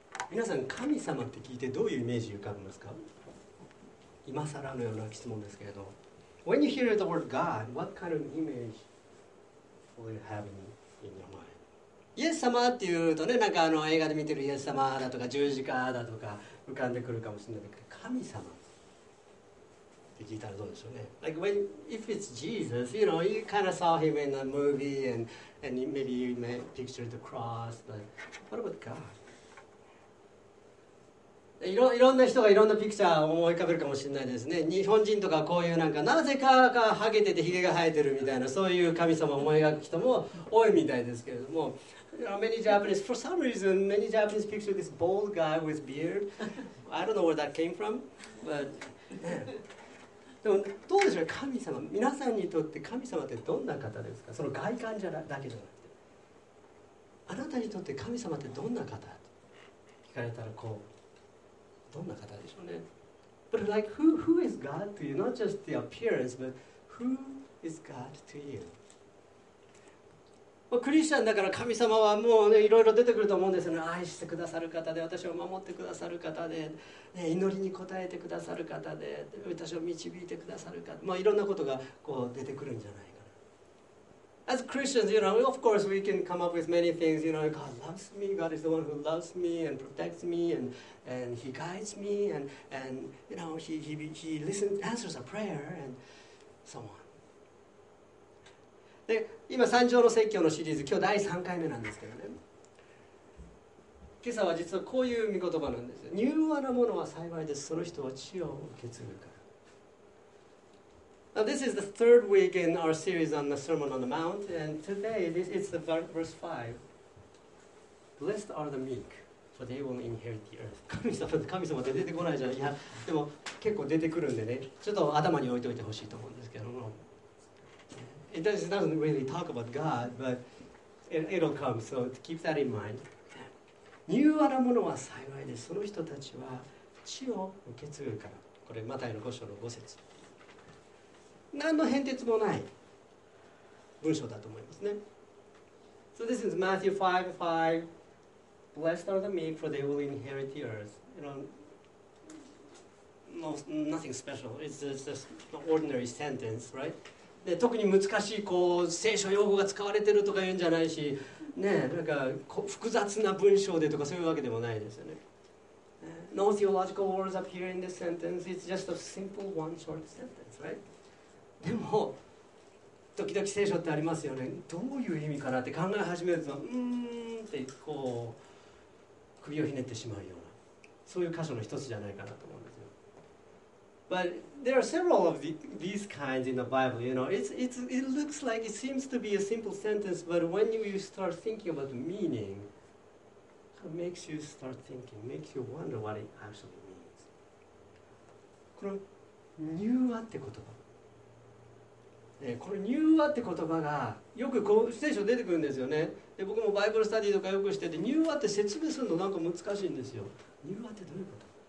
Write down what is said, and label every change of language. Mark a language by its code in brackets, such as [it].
[ja] 皆さん、神様って聞いてどういうイメージ浮かびますか？今更のような質問ですけれど。 [en] When you hear the word God, what kind of image will you have in your mind? [ja] イエス様っていうとね、なんかあの映画で見てるイエス様だとか十字架だとか浮かんでくるかもしれないけど、神様って聞いたらどうでしょうね。 [en] Like when, if it's Jesus, you know, you kind of saw him in a movie and maybe you pictured the cross, but what about God? [ja] いろんな人がいろんなピクチャーを思い浮かべるかもしれないですね。日本人とかこういうなんかなぜかがハゲててヒゲが生えてるみたいな、そういう神様を思い描く人も多いみたいですけれども、 [en] you know, many Japanese, for some reason, many Japanese picture this bald guy with beard. I don't know where that came from, but [ja] でもどうでしょう、神様、皆さんにとって神様ってどんな方ですか？その外観じゃだけじゃなくて、あなたにとって神様ってどんな方と聞かれたら、こうどんな方でしょうね。 [en] But like who is God to you? Not just the appearance, but who is God to you? [ja] クリスチャンだから神様はもうね、いろいろ出てくると思うんですよね。愛してくださる方で、私を守ってくださる方で、ね、祈りに応えてくださる方で、私を導いてくださる方、まあいろんなことがこう出てくるんじゃないかな。 [en] As Christians, you know, of course we can come up with many things. You know, God loves me. God is the one who loves me and protects me and he guides me and you know, he listens, answers a prayer and so on. [ja] で今、三条の説教のシリーズ、今日第3回目なんですけどね、今朝は実はこういう御言葉なんですよ。柔和なものは幸いです、その人は血を受け継ぐから。 [en] Now, this is the third week in our series on the Sermon on the Mount, and today it's the verse 5. Blessed are the meek, for they will inherit the earth. [ja] 神様って出てこないじゃん。いや、でも結構出てくるんでね、ちょっと頭に置いておいてほしいと思うんですけども。 [en] It doesn't really talk about God, but it'll come. So to keep that in mind. [ja] 柔和なものは幸いです。その人たちは血を受け継ぐから。これマタイの5章の5節。何の変哲もない文章だと思いますね。 [en] So this is Matthew 5:5. Blessed are the meek, for they will inherit the earth. You know, nothing special. It's just an ordinary sentence, right? [ja] で特に難しいこう聖書用語が使われてるとか言うんじゃないし、ね、なんか複雑な文章でとかそういうわけでもないですよね。 [en] No theological words appear in this sentence. It's just a simple one short sentence, right? [ja] でも時々聖書ってありますよね。どういう意味かなって考え始めると、ってこう首をひねってしまうような、そういう箇所の一つじゃないかなと思うんですよ。 [en] But there are several of these kinds in the Bible. You know, it looks like it seems to be a simple sentence, but when you start thinking about the meaning, it makes you start thinking, makes you wonder what it actually means. [ja] この柔和って言葉、この柔和って言葉がよくこう聖書出てくるんですよね。で僕もバイブルスタディとかよくしてて、柔和って説明するのなんか難しいんですよ。柔和ってどういうこと？